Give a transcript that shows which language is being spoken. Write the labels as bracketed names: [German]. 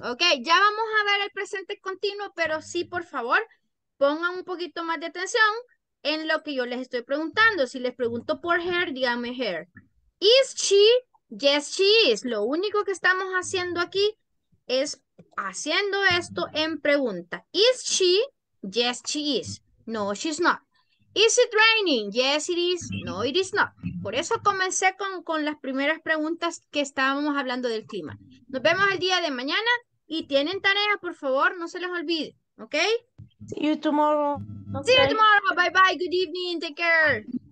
[Spanish] Ok, ya vamos a ver el presente continuo, pero sí, por favor, pongan un poquito más de atención en lo que yo les estoy preguntando. Si les pregunto por her, díganme her. [English] Is she? Yes, she is. [Spanish] Lo único que estamos haciendo aquí es haciendo esto en pregunta. [English] Is she? Yes, she is. No, she's not. Is it raining? Yes, it is. No, it is not. [Spanish] Por eso comencé con las primeras preguntas que estábamos hablando del clima. Nos vemos el día de mañana y tienen tareas, por favor, no se les olvide, ¿ok? [English] See you tomorrow. Okay. See you tomorrow. Bye bye. Good evening. Take care.